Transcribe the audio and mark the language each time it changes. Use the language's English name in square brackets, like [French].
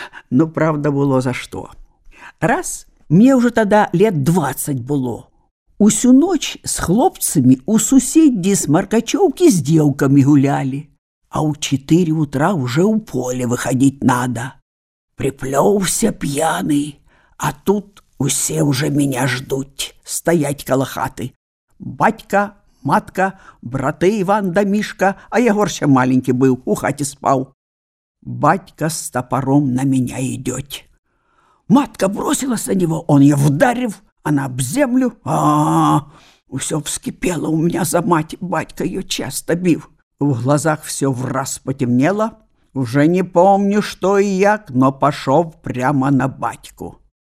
[Ukrainian] Ну, правда, було за що. Раз, мені вже тоді лет 20 було. Усю ніч з хлопцями у сусідді з Маркачовки з дівками гуляли. А у 4 утра вже у поле виходити надо. Приплёвся п'яний, а тут Усе уже меня ждуть, стоять калахаты. Батька, матка, брати Іван да Мішка, а Єгор ще маленький був, у хаті спав. Батька з топором на меня йдеть. [Russian] Матка бросилась на него, он ее вдарив, она об землю. Все вскипело у меня за мать, батька ее часто бив. В глазах все враз потемнело. Уже не помню, что и як, но пошел прямо на батьку.